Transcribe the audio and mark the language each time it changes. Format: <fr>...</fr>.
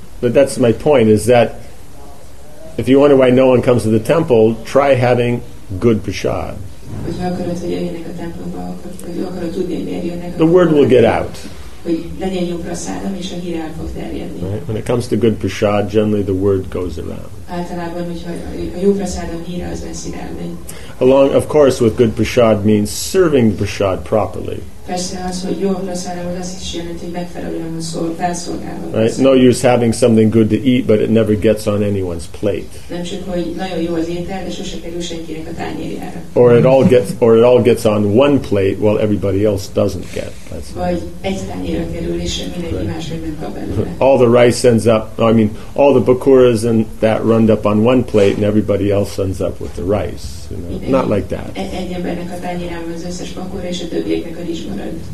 <en>But that's my point, is that if you wonder why no one comes to the temple, try having good prasad. The word will get out. Right? When it comes to good prasad, generally the word goes around.</en> <hu>általában, hogyha a jó prasádom híre az messzire elmegy.</hu> <en>Along, of course, with good prasad means serving prasad properly.</en> <hu>Persze az, hogy jó prasádom, az is jelenti, hogy megfelelően felszolgálom.</hu> <en>Right? No use having something good to eat, but it never gets on anyone's plate.</en> <hu>Nem csak, hogy nagyon jó az étel, de sose kerül senkinek a tányérjára.</hu> <en>Or it all gets on one plate, while everybody else doesn't get. That's</en> <hu>vagy egy tányérra kerül, és mindenki</hu> <en>right.</en> <hu>Másra nem kap belőle.</hu> <en>All the rice ends up, I mean, all the bakuras and that run up on one plate, and everybody else ends up with the rice. You know? Not like that.</en> <hu>Egy embernek a tányérán van az összes bakura, és a többieknek a rizs marad.</hu>